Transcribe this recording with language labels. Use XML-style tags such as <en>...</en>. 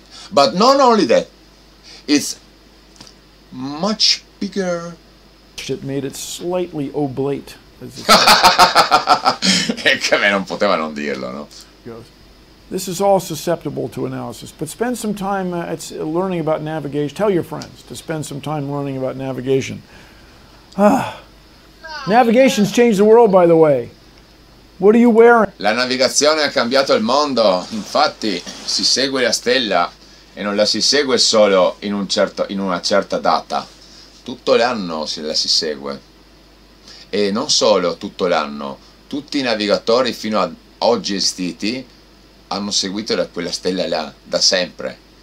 <en>But not only that, it's much bigger. It made it slightly oblate.</en> <it>E che me non poteva non dirlo, no?</it> <en>This is all susceptible to analysis, but spend some time learning about navigation. Tell your friends to spend some time learning about navigation. Navigation's changed the world, by the way. What are you wearing?</en> <it>La navigazione ha cambiato il mondo. Infatti, si segue la stella e non la si segue solo in una certa data. Tutto l'anno se la si segue. E non solo tutto l'anno, tutti i navigatori fino ad oggi esistiti hanno seguito quella stella là, da sempre.</it>